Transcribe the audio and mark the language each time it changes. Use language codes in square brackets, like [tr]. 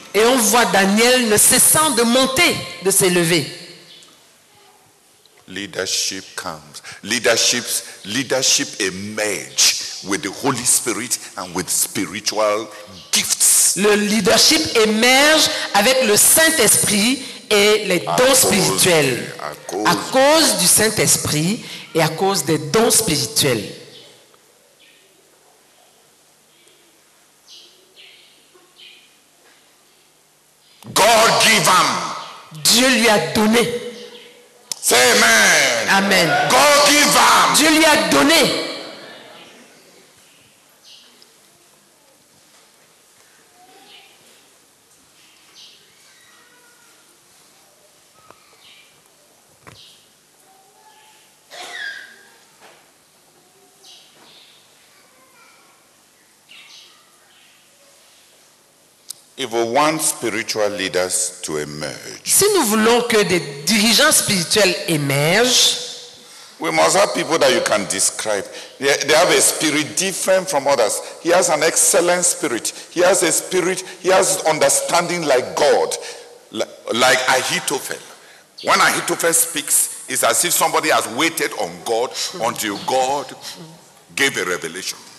[fr] Et on voit Daniel ne cessant de monter, de s'élever. [en] Leadership comes. Leadership emerge with the Holy Spirit and with spiritual gifts. [fr] Le leadership émerge avec le Saint-Esprit et les dons spirituels. À cause du Saint-Esprit et à cause des dons spirituels. [en] God give him. [fr] Dieu lui a donné. [en] Say amen. Amen. God give him. [fr] Dieu lui a donné. [en] If we want spiritual leaders to emerge, [fr] si nous voulons que des dirigeants spirituels émergent, [en] we must have people that you can describe. They have a spirit different from others. He has an excellent spirit. He has a spirit. He has understanding like God, like Ahithophel. When Ahithophel speaks, it's as if somebody has waited on God until God gave a revelation.